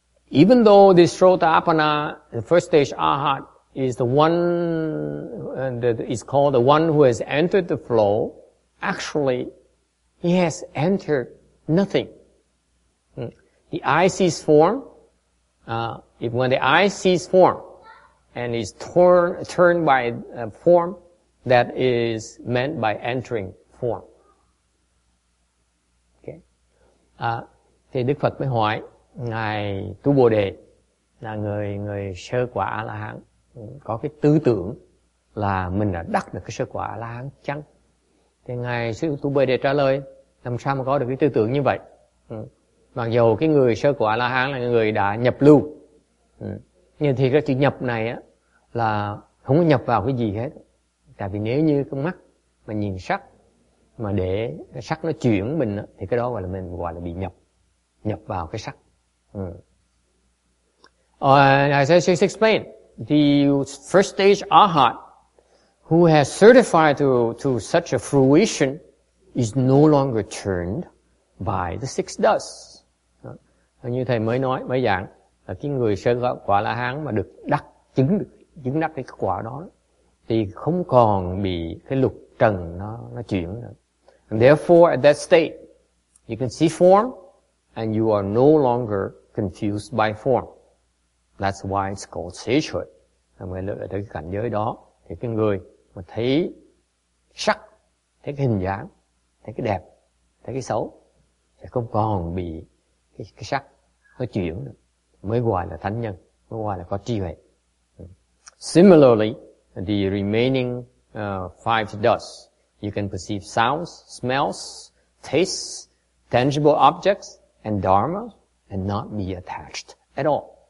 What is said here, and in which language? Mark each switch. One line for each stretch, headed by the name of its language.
English: Even though this Shrota Apana, the first stage Arhat, is the one that is called the one who has entered the flow, actually, he has entered nothing. The eye sees form. When the eye sees form and is turned by form, that is meant by entering form. Okay.
Vietnamese: Thì Đức Phật mới hỏi Ngài Tu Bồ Đề là người sơ quả A-la-hán có cái tư tưởng là mình đã đắc được cái sơ quả A-la-hán chăng? Thì Ngài Tu Bồ Đề trả lời, làm sao mà có được cái tư tưởng như vậy? Mặc dù cái người sơ quả A-la-hán là người đã nhập lưu, nhưng thì cái chữ nhập này á là không có nhập vào cái gì hết. Tại vì nếu như cái mắt mà nhìn sắc, mà để cái sắc nó chuyển mình á, thì cái đó gọi là mình gọi là bị nhập vào cái sắc.
English: As I just explained, the first stage Arhat, who has certified to such a fruition, is no longer turned by the six dusts.
Vietnamese: Như thầy mới nói, mới giảng, là cái người sơ quả la hán mà được đắc chứng đắc cái quả đó, thì không còn bị cái lục trần nó chuyển nữa.
English: And therefore, at that state, you can see form, and you are no longer confused by form. That's why it's called sagehood.
Vietnamese: mới lợi ở cái cảnh giới đó. Thì cái người mà thấy sắc, thấy cái hình dáng, thấy cái đẹp, thấy cái xấu, sẽ không còn bị cái sắc nó chuyển nữa. Mới gọi là thánh nhân, mới gọi là có trí huệ.
English: Similarly, the remaining five dust, you can perceive sounds, smells, tastes, tangible objects, and dharma, and not be attached at all.